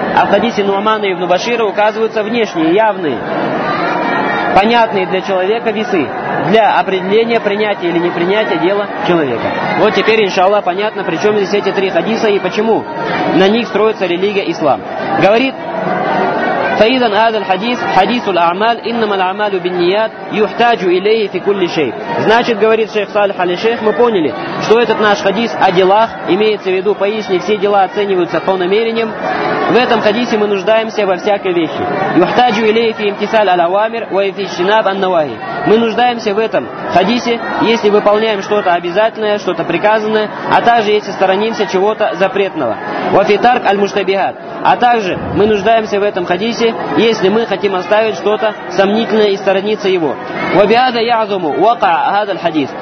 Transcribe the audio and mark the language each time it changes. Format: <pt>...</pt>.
<ru>А в хадисе Нуамана ибн Башира указываются внешние, явные, понятные для человека весы для определения принятия или непринятия дела человека. Вот теперь, иншаллах, понятно, при чем здесь эти три хадиса и почему на них строится религия ислам. Говорит</ru> <ar>فإذن هذا الحديث حديث الأعمال إنما الأعمال بالنيات يحتاج إليه في كل شيء.</ar> <ru>Значит, говорит шейх Салих Алишейх, мы поняли, что этот наш хадис о делах, имеется в виду, поясни, все дела оцениваются по намерениям. В этом хадисе мы нуждаемся во всякой вещи.</ru> <ar>يحتاج إليه في امتثال الأوامر وفي اجتناب النواهي.</ar> <ru>Мы нуждаемся в этом хадисе, если выполняем что-то обязательное, что-то приказанное, а также если сторонимся чего-то запретного.</ru> <ar>وفي ترك المشتبهات.</ar> <ru>А также мы нуждаемся в этом хадисе, если мы хотим оставить что-то сомнительное и сторониться его.</ru> <ar>وَبِعَذَا يَعْظُمُ وَقَعَ هَذَا الْحَدِيثِ.</ar>